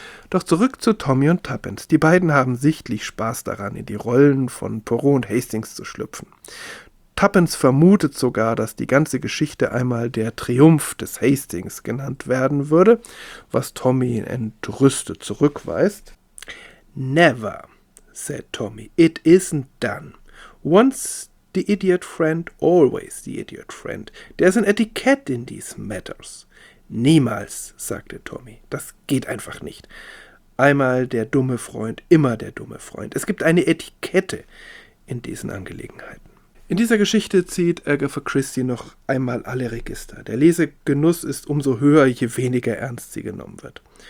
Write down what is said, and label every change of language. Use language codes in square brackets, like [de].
[de] Doch zurück zu Tommy und Tuppence. Die beiden haben sichtlich Spaß daran, in die Rollen von Poirot und Hastings zu schlüpfen. Tuppence vermutet sogar, dass die ganze Geschichte einmal der Triumph des Hastings genannt werden würde, was Tommy entrüstet zurückweist. [en] Never, said Tommy, it isn't done. Once the idiot friend, always the idiot friend. There's an etiquette in these matters. [de] Niemals, sagte Tommy, das geht einfach nicht. Einmal der dumme Freund, immer der dumme Freund. Es gibt eine Etikette in diesen Angelegenheiten. In dieser Geschichte zieht Agatha Christie noch einmal alle Register. Der Lesegenuss ist umso höher, je weniger ernst sie genommen wird.